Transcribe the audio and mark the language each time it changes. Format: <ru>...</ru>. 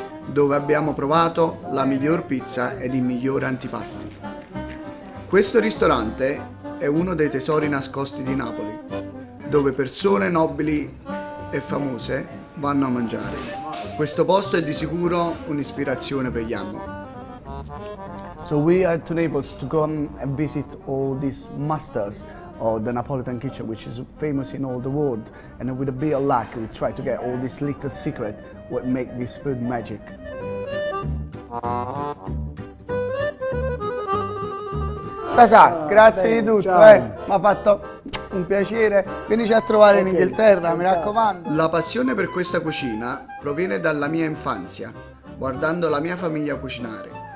<it>Dove abbiamo provato la miglior pizza ed il migliore antipasti. Questo ristorante è uno dei tesori nascosti di Napoli, dove persone nobili e famose vanno a mangiare. Questo posto è di sicuro un'ispirazione per Yammo.</it> <en>So we are to Naples to come and visit all these masters of the Napolitan kitchen, which is famous in all the world. And with a bit of luck, we try to get all this little secret what make this food magic.</en> <it>Sasà, grazie di tutto, mi ha fatto un piacere. Venici a trovare in Inghilterra, mi raccomando. La passione per questa cucina proviene dalla mia infanzia, guardando la mia famiglia cucinare.</it>